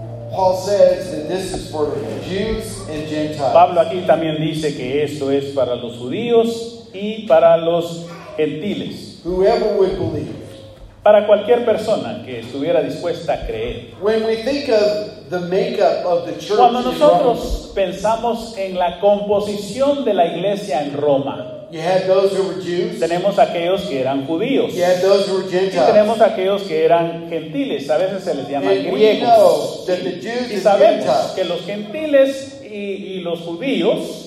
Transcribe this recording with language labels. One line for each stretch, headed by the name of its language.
English: Paul says that this is for Jews and Gentiles.
Spanish: Pablo aquí también dice que esto es para los judíos y para los gentiles.
English: Whoever would believe.
Spanish: Para cualquier persona que estuviera dispuesta a creer.
English: When we think of the makeup of the church
Spanish: Cuando nosotros
English: in Rome,
Spanish: pensamos en la composición de la iglesia en Roma,
English: you had those who were Jews,
Spanish: tenemos aquellos que eran judíos,
English: you had those who were Gentiles,
Spanish: y tenemos aquellos que eran gentiles, a veces se les llama
English: and
Spanish: griegos.
English: We know that the Jews
Spanish: y sabemos
English: and Gentiles
Spanish: que los gentiles y los judíos